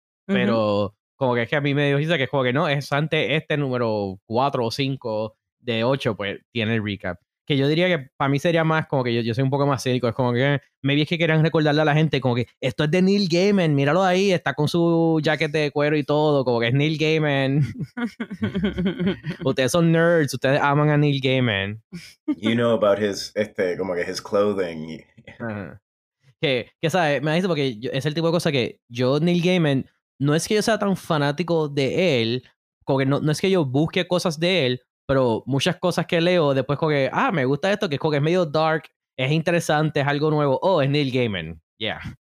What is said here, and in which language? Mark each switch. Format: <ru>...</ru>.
<es>Pero como que es que a mí me dio risa que es como que no, es antes este número 4 o 5 de 8, pues tiene el recap. Que yo diría que para mí sería más como que yo soy un poco más cínico, es como que maybe es que querían recordarle a la gente como que esto es de Neil Gaiman, míralo ahí, está con su jaquete de cuero y todo, como que es Neil Gaiman. Ustedes son nerds, ustedes aman a Neil Gaiman.</es> <en>You know about his</en> <es>como que</es> <en>his clothing.</en> <es>Que sabes, me dice porque es el tipo de cosa que yo, Neil Gaiman, no es que yo sea tan fanático de él, como que no es que yo busque cosas de él, pero muchas cosas que leo después como que, me gusta esto, que es como que es medio dark, es interesante, es algo nuevo. Oh, es Neil Gaiman. Yeah.</es>